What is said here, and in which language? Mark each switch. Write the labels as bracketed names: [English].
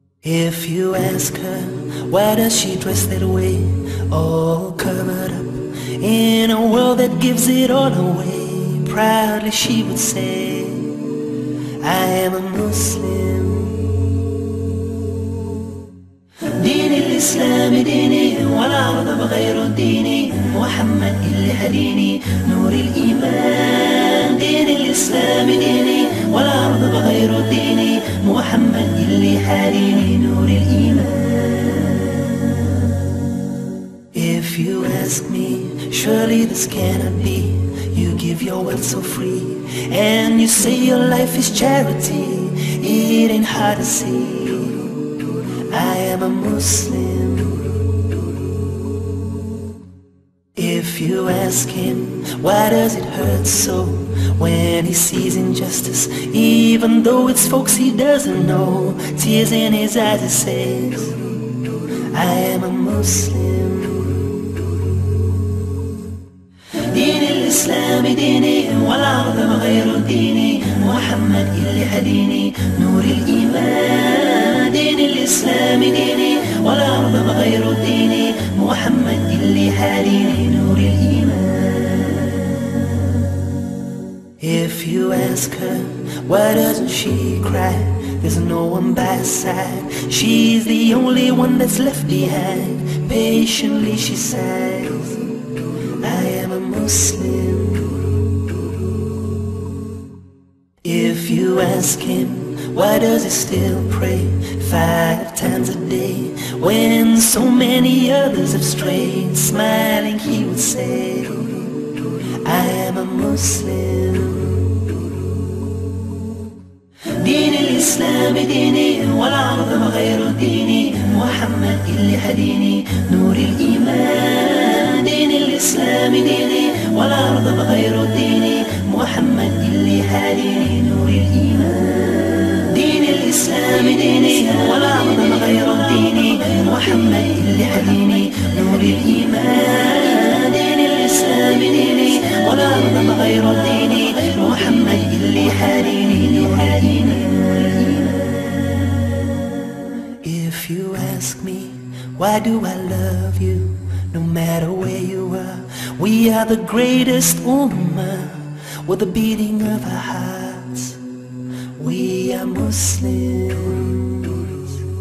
[English] If you ask her, why does she dress that way, all covered up in a world that gives it all away? Proudly she would say, I am a Muslim. [Arabic] دين الإسلام ديني والعرض بغير ديني محمد اللي هديني نور الإيمان دين الإسلام ديني والعرض بغير ديني محمد اللي هديني نور الإيمان. [English] If you ask me, surely this cannot be. You give your wealth so free, and you say your life is charity. It ain't hard to see, I am a Muslim. If you ask him, why does it hurt so when he sees injustice, even though it's folks he doesn't know? Tears in his eyes, he says, I am a Muslim. [Arabic] الإسلام ديني والعرض بغير ديني محمد اللي هديني نور الإيمان دين الإسلام ديني والعرض بغير ديني محمد اللي هديني نور الإيمان. [English] If you ask her why doesn't she cry, there's no one by her side, she's the only one that's left behind. Patiently she says, I am a Muslim. If you ask him, why does he still pray 5 times a day when so many others have strayed? Smiling he would say, I am a Muslim. [Arabic] دين الإسلام ديني والعرض بغير ديني محمد اللي هديني نور الإيمان دين الإسلام ديني والعرض بغير ديني محمد اللي هديني نور الإيمان دين الإسلام ديني والعرض بغير ديني محمد اللي هديني نور الإيمان دين الإسلام ديني والعرض بغير ديني محمد اللي هديني نور الإيمان. [English] If you ask me, why do I love you? No matter where you are, we are the greatest ummah. With the beating of our hearts, we are Muslims.